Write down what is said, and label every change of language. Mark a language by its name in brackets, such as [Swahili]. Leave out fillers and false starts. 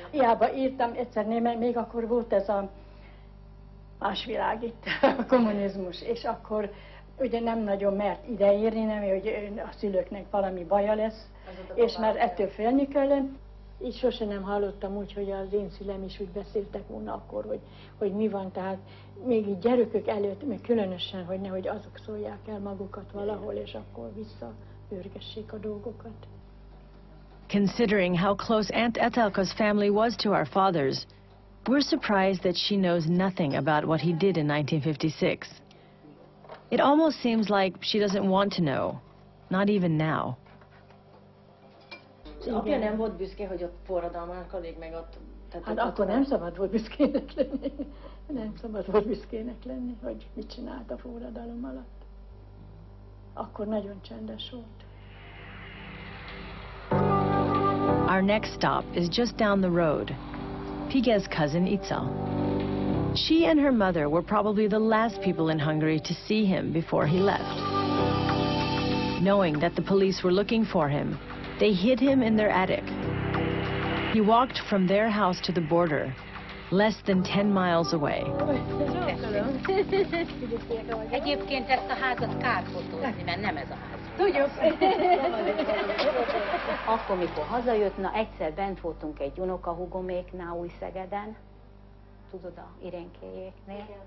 [Hungarian] Hiába írtam egyszer, még akkor volt ez a más világ itt, a kommunizmus, és akkor ugye nem nagyon mert ideírni, nem, hogy a szülőknek valami baja lesz, és már ettől félni kellene. Így sose nem hallottam úgy, hogy az én szülem is úgy beszéltek volna akkor, hogy mi van. Tehát még így gyerekek előtt, még különösen, hogy nehogy azok szólják el magukat valahol, és akkor visszaörgessék a dolgokat. [English] Considering how close Aunt Etelka's family was to our fathers, we're surprised that she knows nothing about what he did in 1956. It almost seems like she doesn't want to know, not even now. [Hungarian] Igen. Apja nem volt büszke, hogy ott forradalmának alig meg ott... Tehát hát akkor nem szabad volt büszkének lenni. Nem szabad volt büszkének lenni, hogy mit csinált a forradalom alatt. Akkor nagyon csendes volt. [English] Our next stop is just down the road. Pige's cousin Itza. She and her mother were probably the last people in Hungary to see him before he left. Knowing that the police were looking for him, they hid him in their attic. He walked from their house to the border, less than 10 miles away. [Hungarian] Egyébként ezt a házat kárfotózni, mert nem ez a ház. Tudjuk. Akkor, mikor hazajött, na egyszer bent voltunk egy unokahúgoméknál Újszegeden. Tudod, a Irénkéjéknél.